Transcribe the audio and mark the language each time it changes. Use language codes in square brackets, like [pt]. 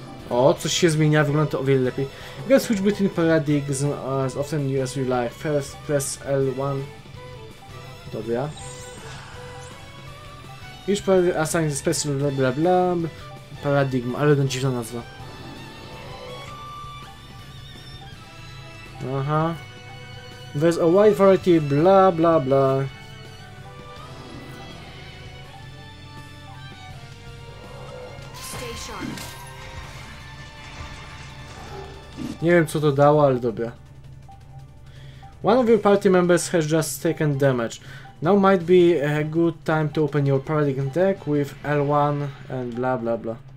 [pl] O, coś się zmienia, wygląda to o wiele lepiej. [en] You can switch between paradigms as often as you like. First, press L1. Dobra. [pl] Już [en] assign special [pl] bla bla bla paradigm, ale to dziwna nazwa. [en] Aha. There's a wide variety, bla bla bla. Stay sharp. [pl] Nie wiem co to dało, ale dobra. [en] One of your party members has just taken damage. Now might be a good time to open your paradigm deck with L1 and bla bla bla.